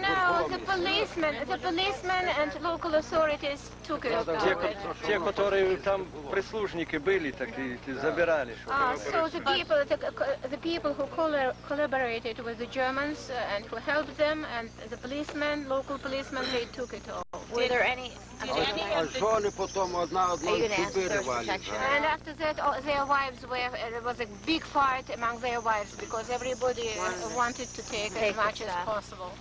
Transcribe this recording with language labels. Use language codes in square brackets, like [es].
[en] No, the policemen and local authorities took it. [ru] Те, которые там прислужники были, такие забирали. [en] So the people who collaborated with the Germans and who helped them, and the policemen, local policemen, they took it all. Were there any? And after that, all their wives were, there was a big fight among their wives because everybody wanted to take as much as possible.